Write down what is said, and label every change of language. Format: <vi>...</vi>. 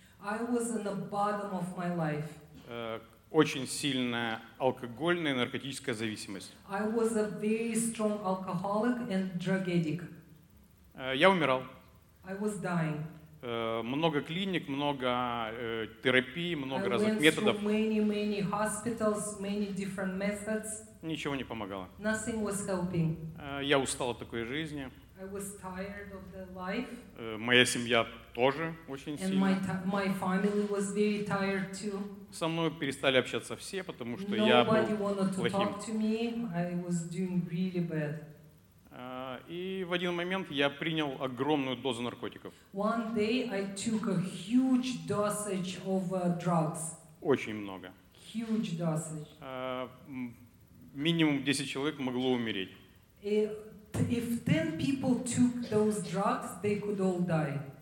<en>I was in the bottom of my life.</en> <ru>Очень сильная алкогольная и наркотическая зависимость.</ru> <en>I was a very strong alcoholic and drug addict.</en> <ru>Я умирал.</ru> <en>I was dying.</en> <ru>Много клиник, много терапии, много разных методов.</ru> <en>Many hospitals, many different methods.</en> <ru>Ничего не помогало.</ru> <en>Nothing was helping.</en> <ru>Я устал от такой жизни.</ru> <en>I was tired of the life.</en> <ru>Моя семья тоже очень</ru> <en>and</en> <ru>сильно.</ru> <en>My family was very tired too.</en> <ru>Со мной перестали общаться все, потому что</ru> <en>Nobody</en> <ru>я был плохим.</ru> <en>Nobody wanted to talk to me. I was doing really bad.</en> <ru>И в один момент я принял огромную дозу наркотиков.</ru> <en>One day I took a huge dosage of drugs.</en> <ru>Очень много.</ru> <en>Huge dosage.</en> <ru>Минимум 10 человек могло умереть.</ru> <en>If 10 people took those drugs, they could all die.</en>